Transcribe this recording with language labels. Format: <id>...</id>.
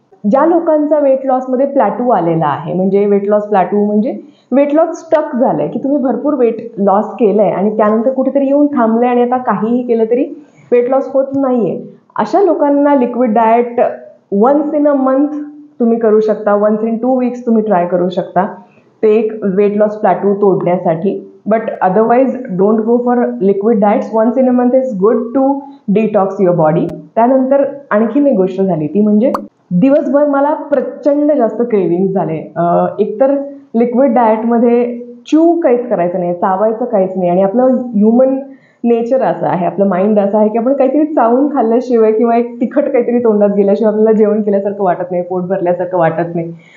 <mr>ज्या लोकांचा weight लॉसमध्ये plateau आलेला आहे, म्हणजे वेट लॉस प्लॅटू म्हणजे वेट लॉस स्टक झालं आहे की तुम्ही भरपूर वेट लॉस केलं आहे आणि त्यानंतर कुठेतरी येऊन थांबलं आहे आणि आता काहीही केलं तरी वेट लॉस होत नाही आहे, अशा लोकांना liquid diet</mr> <en>once in a month</en> <mr>तुम्ही करू शकता,</mr> <en>once in two weeks</en> <mr>तुम्ही ट्राय करू शकता, ते एक वेट लॉस प्लॅटू तोडण्यासाठी.</mr> <en>But otherwise don't go for liquid diets. Once in a month is good to detox your body.</en> <mr>त्यानंतर आणखीन एक गोष्ट झाली, ती म्हणजे दिवसभर मला प्रचंड जास्त क्रेविंग झाले. एकतर लिक्विड डाएटमध्ये च्यू काहीच करायचं नाही, चावायचं काहीच नाही, आणि आपलं ह्युमन नेचर असं आहे, आपलं माइंड असं आहे की आपण काहीतरी चावून खाल्ल्याशिवाय किंवा एक तिखट काहीतरी तोंडात गेल्याशिवाय आपल्याला जेवण केल्यासारखं वाटत नाही, पोट भरल्यासारखं वाटत नाही.</mr>